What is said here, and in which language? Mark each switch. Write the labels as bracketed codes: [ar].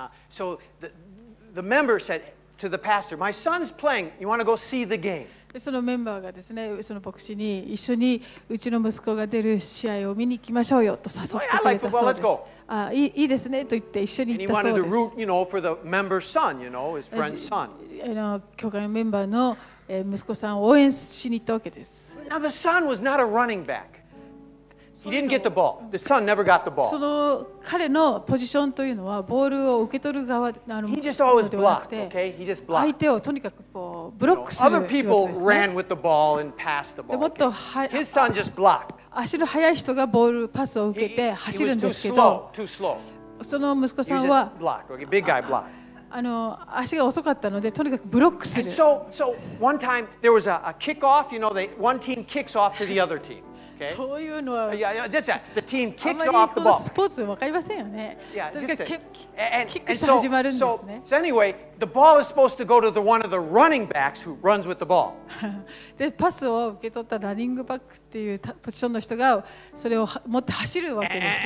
[en] So the member said to the pastor, "My son's playing. You want to go see the game?" [ja] そのメンバーがですね、その牧師に一緒にうちの息子が出る試合を見に行きましょうよと誘ってくれたそうです。 [en] I like football. Let's go. [ja] いいですねと言って一緒に行ったそうです。 [en] And he wanted to root, you know, for the member's son, you know, his friend's son. [ja] 教会のメンバーの息子さんを応援しに行ったわけです。 [en] Now the son was not a running back. He didn't get the ball. The son never got the ball. [ja] その彼のポジションというのはボールを受け取る側なので [en] 、He just always blocked. Okay, he just blocked. [ja] 相手をとにかくこうブロックする。 [en] Other people ran with the ball and passed the ball. [ja] もっと速 [en] い。His son just blocked. [ja] 足の速い人がボールパスを受けて走るんですけど、 [en] Too slow. [ja] その息子さんは、 [en] He just blocked. Okay, big guy blocked. [ja] あの足が遅かったのでとにかくブロックする。 [en] So one time there was a kickoff. You know, one team kicks off to the other team. [ja] Okay. そういうのは、 [en] the team kicks off the ball. [ja] あまりこのスポーツ分かりませんよね。キックして始まるんですね。 [en] So anyway, the ball is supposed to go to one of the running backs who runs with the ball. [ja] で、パスを受け取ったランニングバックっていうポジションの人がそれを持って走るわけです。